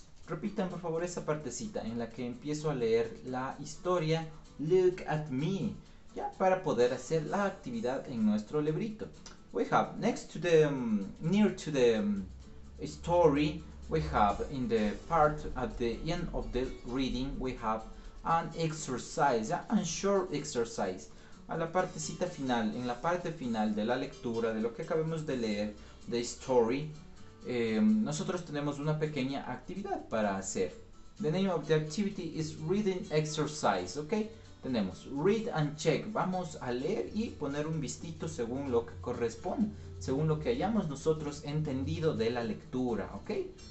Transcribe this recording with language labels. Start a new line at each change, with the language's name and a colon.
Spanish: Repitan, por favor, esa partecita en la que empiezo a leer la historia. Look at me. Ya, para poder hacer la actividad en nuestro librito.
English: We have, next to the, near to the story, we have in the part at the end of the reading, we have an exercise, a short exercise.
Spanish: A la partecita final, en la parte final de la lectura, de lo que acabamos de leer,
English: the story,
Spanish: nosotros tenemos una pequeña actividad para hacer.
English: The name of the activity is reading exercise, okay?
Spanish: Tenemos
English: read and check.
Spanish: Vamos a leer y poner un vistito según lo que corresponde, según lo que hayamos nosotros entendido de la lectura, okay?